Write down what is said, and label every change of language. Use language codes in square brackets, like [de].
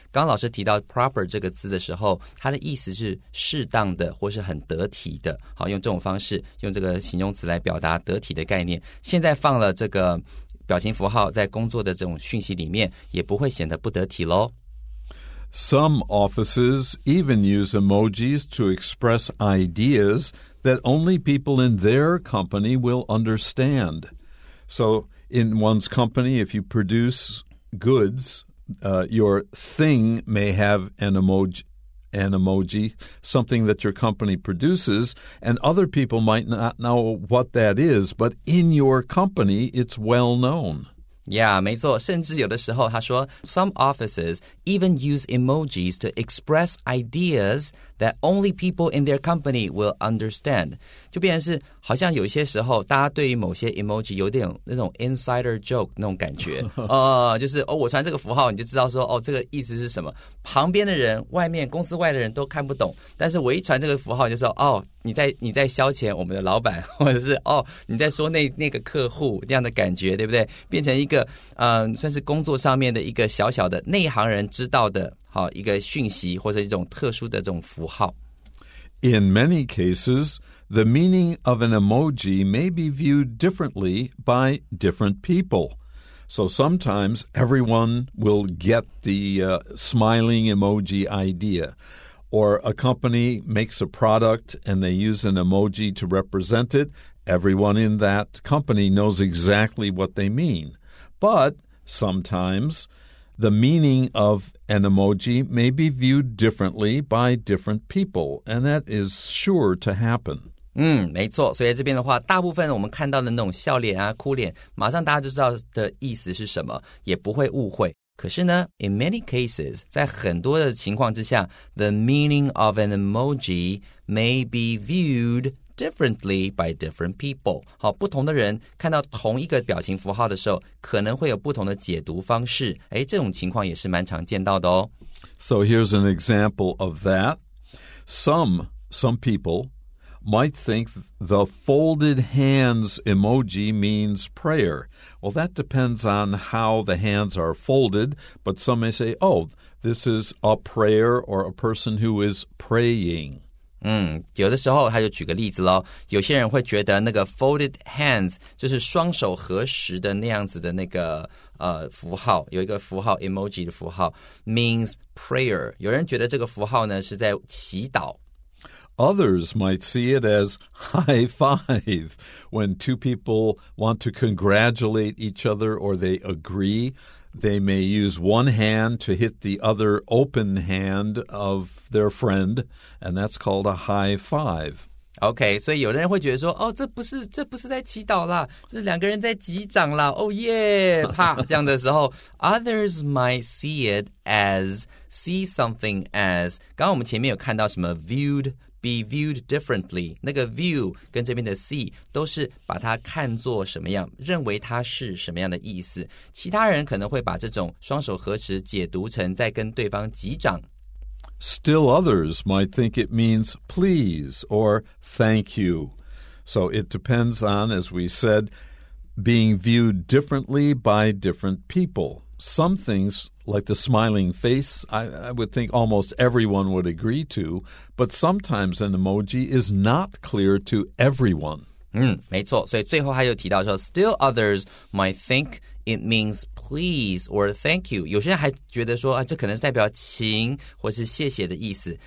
[zh] 刚老师提到 proper 这个字的时候，它的意思是适当的或是很得体的，好，用这种方式，用这个形容词来表达得体的概念。现在放了这个表情符号在工作的这种讯息里面，也不会显得不得体咯。 [en] Some offices even use emojis to express ideas that only people in their company will understand. So, in one's company, if you produce goods, your thing may have an emoji, something that your company produces, and other people might not know what that is, but in your company, it's well known. Yeah, [zh] 没错，甚至有的时候他说 [en] Some offices even use emojis to express ideas that only people in their company will understand. [zh] 就变成是好像有些时候大家对于某些 emoji 有点那种 insider joke 那种感觉就是哦，我传这个符号你就知道说哦，这个意思是什么，旁边的人外面公司外的人都看不懂，但是我一传这个符号就说哦，你在消遣我们的老板，或者是哦，你在说那个客户那样的感觉，对不对？变成一个算是工作上面的一个小小的内行人知道的，好，一个讯息或者一种特殊的这种符号。 [en] In many cases, the meaning of an emoji may be viewed differently by different people. So sometimes everyone will get the smiling emoji idea. Or a company makes a product and they use an emoji to represent it, everyone in that company knows exactly what they mean. But sometimes the meaning of an emoji may be viewed differently by different people, and that is sure to happen. [zh] 嗯，没错，所以这边的话大部分我们看到的那种笑脸啊哭脸马上大家就知道的意思是什么，也不会误会。可是呢 [en] ,in many cases, [zh] 在很多的情况之下 [en] ,the meaning of an emoji may be viewed differently by different people. [zh] 好，不同的人看到同一个表情符号的时候可能会有不同的解读方式。诶，这种情况也是蛮常见到的哦。 [en] So here's an example of that. Some people might think the folded hands emoji means prayer. Well, that depends on how the hands are folded, but some may say, oh, this is a prayer or a person who is praying. [zh] 有的时候他就举个例子咯，有些人会觉得那个 folded hands 就是双手合十的那样子的那个符号，有一个符号 emoji 的符号 [en] means prayer. [zh] 有人觉得这个符号呢是在祈祷。 [en] Others might see it as high five when two people want to congratulate each other or they agree. They may use one hand to hit the other open hand of their friend, and that's called a high five. [zh] Okay, 所以有的人会觉得说，哦，这不是在祈祷啦，这是两个人在击掌啦。 [en] Oh yeah, [zh] 啪，这样的时候， [en] others might see it as see something as. [zh] 刚刚我们前面有看到什么 viewed. [en] Be viewed differently. [zh] 那个 view 跟这边的 see 都是把它看作什么样，认为它是什么样的意思。其他人可能会把这种双手合十解读成在跟对方击掌。 [en] Still others might think it means please or thank you. So it depends on, as we said, being viewed differently by different people. Some things... Like the smiling face, I would think almost everyone would agree to, but sometimes an emoji is not clear to everyone. [zh] 没错，所以最后他又提到说 [en] still others might think it means please or thank you. [zh] 有些人还觉得说、啊、这可能是代表请或是谢谢的意思。